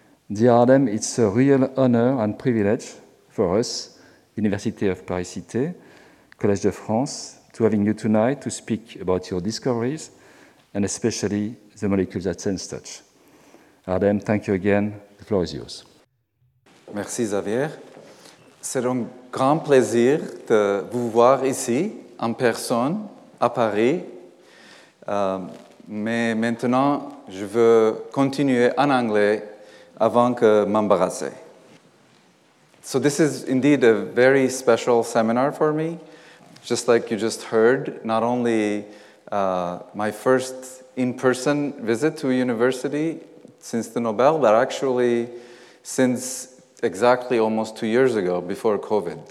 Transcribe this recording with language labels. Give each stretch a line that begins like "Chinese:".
English: Dear Adam, it's a real honor and privilege for us, Université of Paris Cité, Collège de France, to having you tonight to speak about your discoveries, and especially the molecules that sense touch. Adam, thank you again. The floor is yours.
French: Merci, Xavier. C'est un grand plaisir de vous voir ici, en personne, à Paris. Mais maintenant, je veux continuer en anglais avant que m'embarrasser.
English: So this is indeed a very special seminar for me. Just like you just heard, not only my first in-person visit to a university since the Nobel, but actually since exactly almost 2 years ago, before COVID.